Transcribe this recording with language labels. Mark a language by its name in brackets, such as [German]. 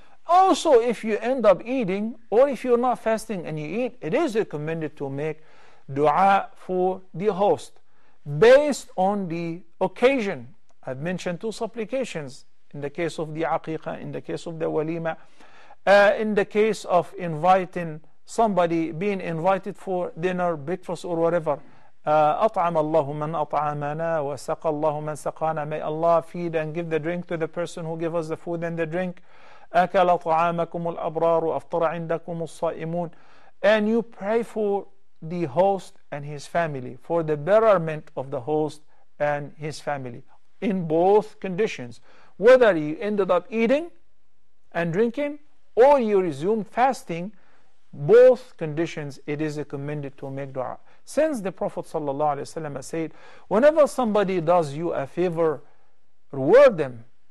[English] Also, if you end up eating, or if you're not fasting and you eat, it is recommended to make dua for the host based on the occasion. I've mentioned 2 supplications in the case of the aqiqah, in the case of the walima, in the case of inviting somebody, being invited for dinner, breakfast, or whatever. [Arabic] أطعم الله من أطعمنا وسقى الله من سقانا. [English] May Allah feed and give the drink to the person who gave us the food and the drink. [Arabic] أكل طعامكم الأبرار وأفطر عندكم الصائمون. [English] And you pray for the host and his family, for the betterment of the host and his family in both conditions, whether you ended up eating and drinking or you resumed fasting. Both conditions, it is recommended to make dua. Since the Prophet ﷺ said, whenever somebody does you a favor, reward them.